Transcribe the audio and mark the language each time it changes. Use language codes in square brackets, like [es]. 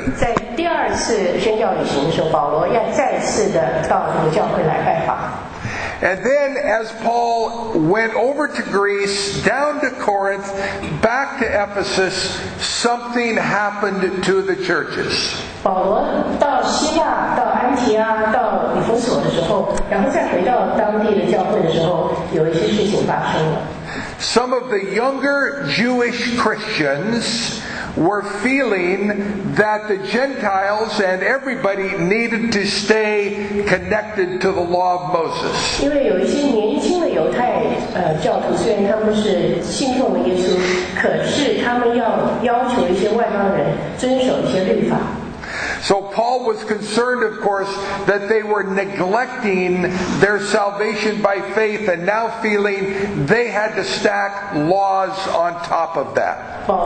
[en] In the second missionary journey, Paul went back to visit the same churches on his second missionary journey. And then as Paul went over to Greece, down to Corinth, back to Ephesus, something happened to the churches. [zh] 保罗到西亚，到安提亚，到以弗所的时候，然后再回到当地的教会的时候，有一些事情发生了。 [en] Some of the younger Jewish Christians were feeling that the Gentiles and everybody needed to stay connected to the law of Moses. [zh] 因为有一些年轻的犹太教徒，虽然他们是信奉了耶稣，可是他们要求一些外邦人遵守一些律法。 [en] So Paul was concerned, of course, that they were neglecting their salvation by faith and now feeling they had to stack laws on top of that.